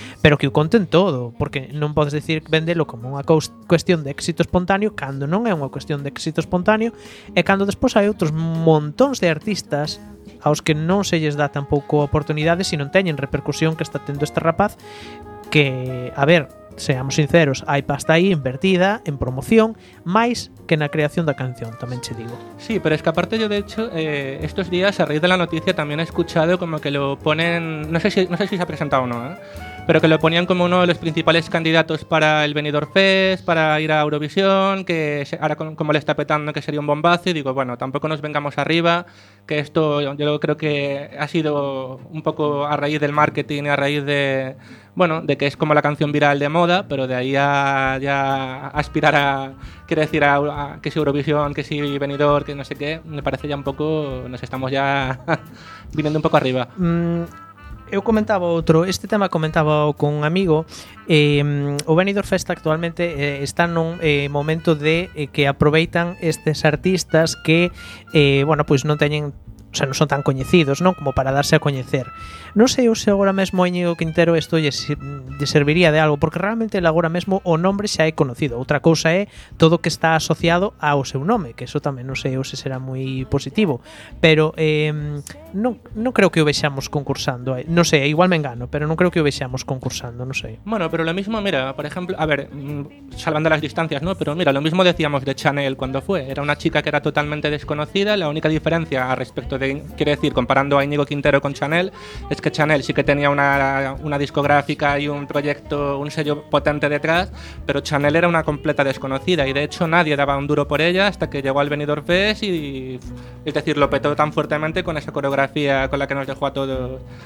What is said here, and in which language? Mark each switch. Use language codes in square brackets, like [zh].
[gl] Pero que o conten todo, porque non podes decir vendelo como unha cuestión de éxito espontáneo cando non é unha cuestión de éxito espontáneo e cando despois hai outros montóns de artistas aos que non se lles dá tampouco oportunidades se non teñen repercusión que está tendo este rapaz que, a ver, [es] seamos sinceros, [gl] hai pasta aí invertida en promoción, máis que na creación da canción, tamén che digo. [es] Sí, pero es que aparte yo, de hecho, estos días a raíz de la noticia tamén he escuchado como que lo ponen, no sé si se ha presentado o no, pero que lo ponían como uno de los principales candidatos para el Benidorm Fest, para ir a Eurovisión, que ahora como le está petando que sería un bombazo, y digo, bueno, tampoco nos vengamos arriba, que esto yo creo que ha sido un poco a raíz del marketing y a raíz de, bueno, de que es como la canción viral de moda, pero de ahí a ya aspirar a, quiere decir, a que si Eurovisión, que si Benidorm, que no sé qué, me parece ya un poco, nos estamos ya viniendo un poco arriba. [gl] Eu comentaba outro, este tema comentaba con un amigo, o Benidorm Fest actualmente está nun momento de que aproveitan estes artistas que bueno, pois non teñen, o sea, non son tan coñecidos, non, como para darse a coñecer. Non sei se agora mesmo Íñigo Quintero isto lle serviría de algo, porque realmente agora mesmo o nombre xa é conocido. Outra cousa é todo o que está asociado ao seu nome, que eso tamén non sei se será moi positivo, pero non creo que o vexamos concursando. Non sei, igual me engano, pero non creo que o vexamos concursando, non sei. [es] Bueno, pero lo mismo, mira, por ejemplo, a ver, salvando las distancias, ¿no? Pero mira, lo mismo decíamos de Chanel cuando fue, era una chica que era totalmente desconocida, la única diferencia a respecto de, quiero decir, comparando a Íñigo Quintero con Chanel, es que Chanel sí que tenía una discográfica y un proyecto, un sello potente detrás, pero Chanel era una completa desconocida y de hecho nadie daba un duro por ella hasta que llegó al Benidorm Fest y, es decir, lo petó tan fuertemente con esa coreografía con la que nos dejó a todos.